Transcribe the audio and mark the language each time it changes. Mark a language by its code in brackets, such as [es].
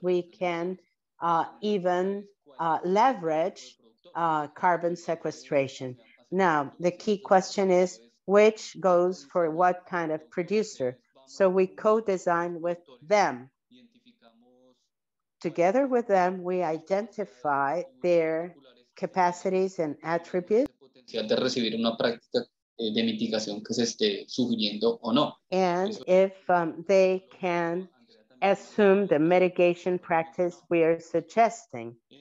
[en] We can even leverage carbon sequestration. Now, the key question is, which goes for what kind of producer? So we co-design with them. Together with them, we identify their capacities and attributes. [es] Potencial de recibir una práctica de mitigación que se esté sugiriendo o no. [en] And if they can assume the mitigation practice we are suggesting.